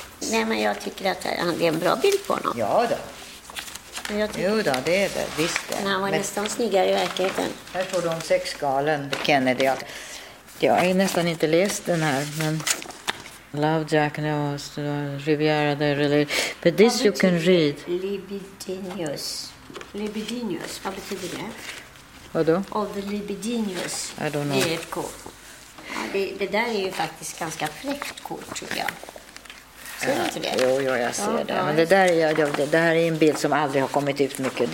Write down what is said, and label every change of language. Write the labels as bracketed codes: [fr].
[sv] Nej, men jag tycker att det är en bra bild på honom. Ja då. Men jag tycker... Jo då, det är det, visst det. Men han var nästan snyggare i verkligheten. Här får du om sexgalen, Kennedy. Jag har nästan inte läst den här, men... [en] Love Jack and Riviera, but this you can read. Libidinous. [sv] Libidinous, vad betyder det? Vadå? [en] Of the libidinous. I don't know. [sv] Det är ett kort. Ja, det där är ju faktiskt ganska fräckt kort, tror jag. Ser du inte det? Jo, jag ser det. Men det där är en bild som aldrig har kommit ut mycket.